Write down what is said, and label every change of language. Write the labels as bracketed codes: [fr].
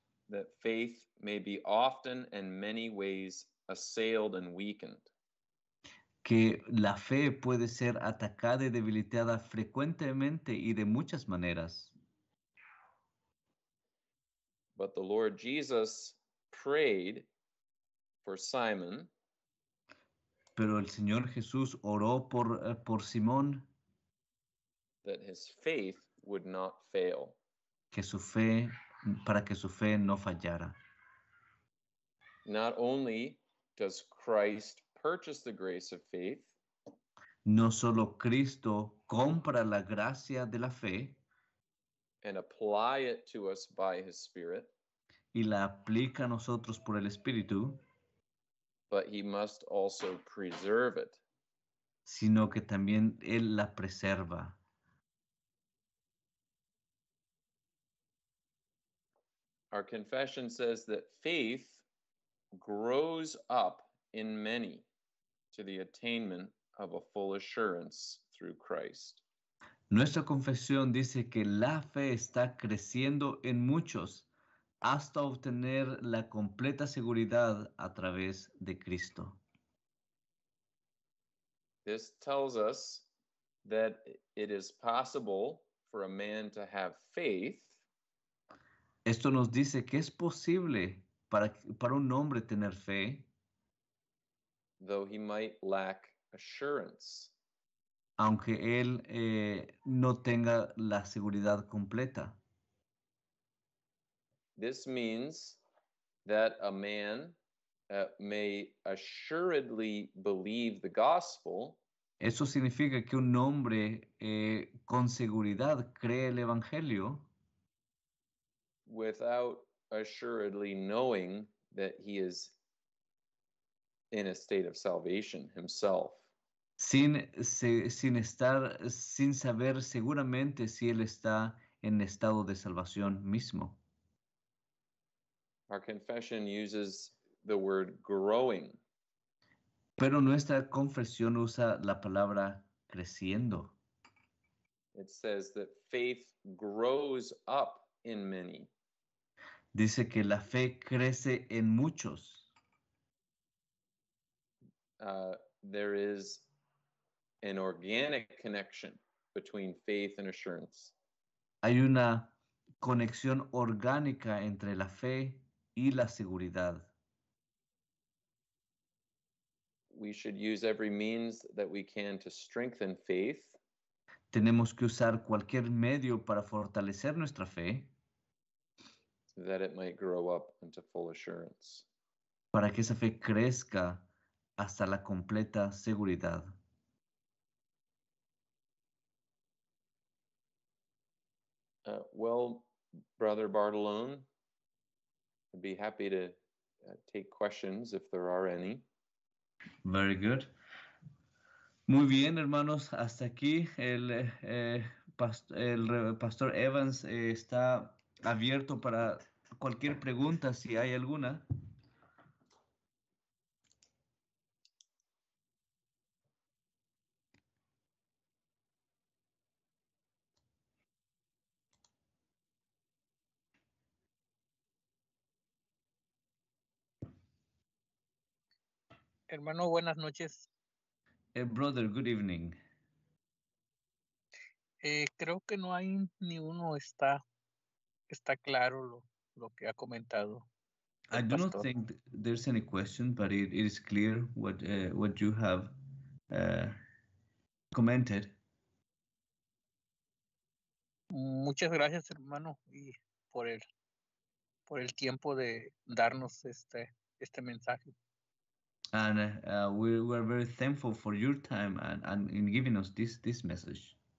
[en] that faith may be often and many ways assailed and weakened. [es] Que la fe puede ser atacada y debilitada frecuentemente y de muchas maneras. [en] But the Lord Jesus prayed for Simon. [es] Pero el Señor Jesús oró por Simón. [en] That his faith would not fail. [es] Que su fe, para que su fe no fallara. [en] Not only does Christ purchase the grace of faith. [es] No solo Cristo compra la gracia de la fe. [en] And apply it to us by his Spirit. [es] Y la aplica a nosotros por el Espíritu. [en] But he must also preserve it. [es] Sino que también él la preserva. [en] Our confession says that faith grows up in many to the attainment of a full assurance through Christ. [es] Nuestra confesión dice que la fe está creciendo en muchos hasta obtener la completa seguridad a través de Cristo. [en] This tells us that it is possible for a man to have faith. [es] Esto nos dice que es posible para un hombre tener fe. [en] Though he might lack assurance. [es] Aunque él no tenga la seguridad completa. [en] This means that a man may assuredly believe the gospel. [es] Eso significa que un hombre con seguridad cree el evangelio. [en] Without assuredly knowing that he is in a state of salvation himself. [es] Sin saber seguramente si él está en estado de salvación mismo. [en] Our confession uses the word growing. [es] Pero nuestra confesión usa la palabra creciendo. [en] It says that faith grows up in many. [es] Dice que la fe crece en muchos. [en] There is an organic connection between faith and assurance. [es] Hay una conexión orgánica entre la fe y la seguridad. [en] We should use every means that we can to strengthen faith. [es] Tenemos que usar cualquier medio para fortalecer nuestra fe. [en] That it might grow up into full assurance. [es] Para que esa fe crezca hasta la completa seguridad. [en] Well, Brother Bartolone, I'd be happy to take questions if there are any. Very good. [es] Muy bien, hermanos, hasta aquí el pastor Evans está abierto para cualquier pregunta, si hay alguna. Hermano, buenas noches. [en] Brother, good evening. [es] Creo que no hay ni uno está claro lo que ha comentado. [en] I do not think there's any question, but it is clear what you have commented. [es] Muchas gracias, hermano, y por el tiempo de darnos este mensaje. [en] And we're very thankful for your time and in giving us this message.